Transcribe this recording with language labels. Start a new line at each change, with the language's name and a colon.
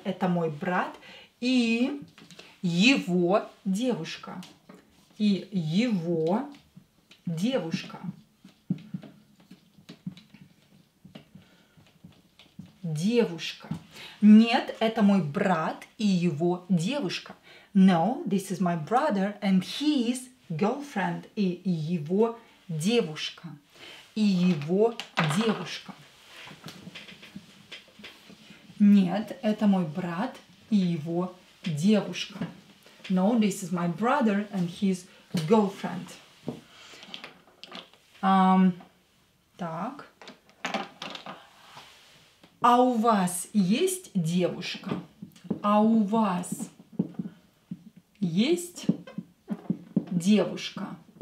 Russian: Это мой брат и его девушка. И его девушка. Девушка. Нет, это мой брат и его девушка.
English: No, this is my brother and his girlfriend.
Russian: И его девушка. И его девушка. Нет, это мой брат и его девушка.
English: No, this is my brother and his girlfriend.
Russian: Так. А у вас есть девушка? А у вас есть девушка?